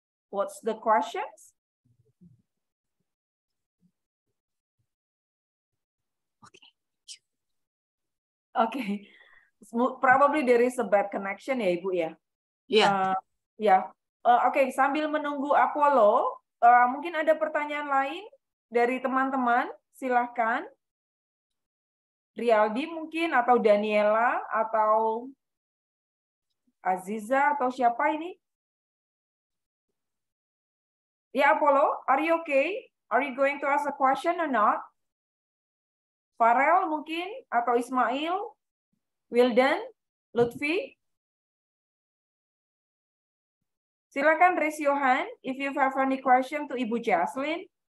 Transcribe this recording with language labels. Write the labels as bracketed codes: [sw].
[en] What's the questions? Okay, probably there is a bad connection ya, Ibu ya. [id] Okay, sambil menunggu Apollo, mungkin ada pertanyaan lain dari teman-teman. Silahkan, Rialdi mungkin, atau Daniela, atau Aziza, atau siapa ini? [en] Ya, Apollo, are you okay? Are you going to ask a question or not? [id] Farel mungkin, atau Ismail? Wildan, Lutfi, silakan [en] raise your hand if you have any question to [id] Ibu Jaslin.